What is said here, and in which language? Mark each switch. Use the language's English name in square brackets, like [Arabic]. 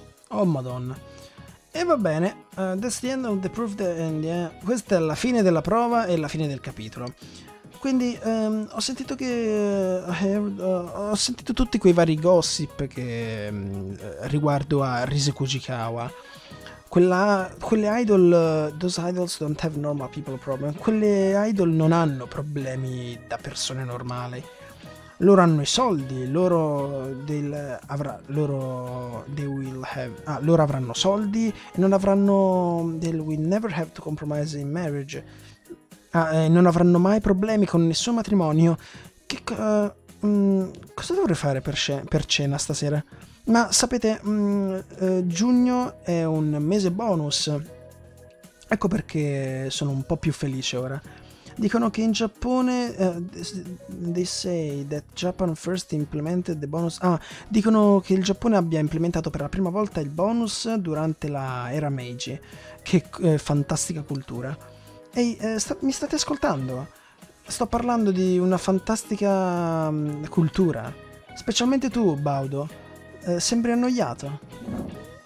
[English] Oh, madonna. E va bene. That's the end of the proof. [Italian] Questa è la fine della prova e la fine del capitolo. Quindi ho sentito che ho sentito tutti quei vari gossip che riguardo a Rise Kujikawa. [English] Quelle idol, those idols don't have normal people problem. [Italian] Quelle idol non hanno problemi da persone normali. Loro hanno i soldi, loro avranno soldi e non avranno del will never have to compromise in marriage. Non avranno mai problemi con nessun matrimonio. Che cosa dovrei fare per cena stasera? Ma sapete, giugno è un mese bonus. Ecco perché sono un po' più felice ora. Dicono che in Giappone... [English] they say that Japan first implemented the bonus... [Italian] Ah, dicono che il Giappone abbia implementato per la prima volta il bonus durante la era Meiji. Che fantastica cultura. Ehi, mi state ascoltando? Sto parlando di una fantastica cultura. Specialmente tu, Baudo. Sembri annoiato.